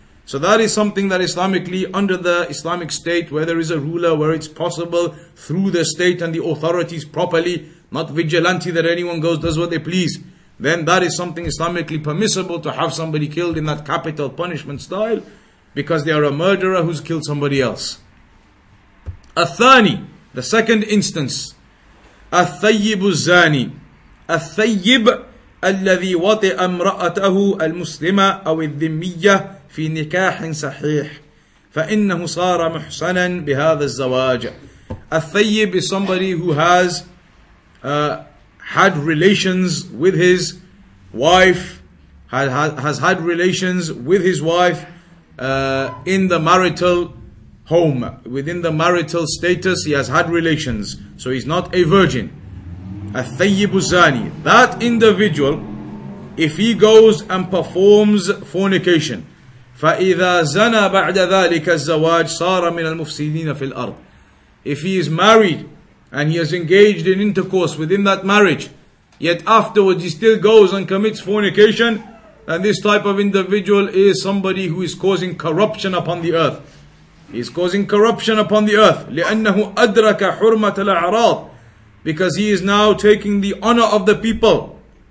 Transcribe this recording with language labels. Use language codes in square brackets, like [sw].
[en] So that is something that Islamically, under the Islamic state, where there is a ruler, where it's possible through the state and the authorities properly, not vigilante that anyone goes, does what they please, then that is something Islamically permissible to have somebody killed in that capital punishment style, because they are a murderer who's killed somebody else. Athani, the second instance. [ar] Athayyibu zani. Athayyib الذي وطئ امرأته المسلمة أو الذمية في نكاح صحيح فإنه صار محسنا بهذا الزواج. [en] الثيب is somebody who has had relations with his wife, has had relations with his wife in the marital home, within the marital status, he has had relations, so he's not a virgin. [ar] الثيب الزاني, [en] that individual, if he goes and performs fornication, [ar] فَإِذَا زَنَى بَعْدَ ذَلِكَ الزَّوَاجِ صَارَ مِنَ الْمُفْسِدِينَ فِي الْأَرْضِ. [en] If he is married and he has engaged in intercourse within that marriage, yet afterwards he still goes and commits fornication, then this type of individual is somebody who is causing corruption upon the earth. He is causing corruption upon the earth. [ar] لِأَنَّهُ أَدْرَكَ حُرْمَةَ الْأَعْرَاضِ. [en] Because he is now taking the honor of the people.